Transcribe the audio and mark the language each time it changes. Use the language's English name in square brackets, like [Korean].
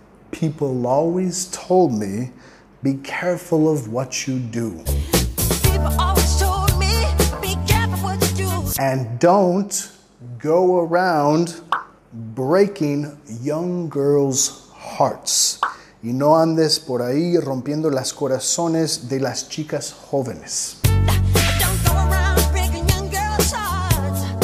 [English] People always told me, be careful of what you do. People always told me, be careful what you do. And don't go around breaking young girls' hearts. [Spanish] Y no andes por ahí rompiendo los corazones de las chicas jóvenes. [English] Don't go around breaking young girls' hearts.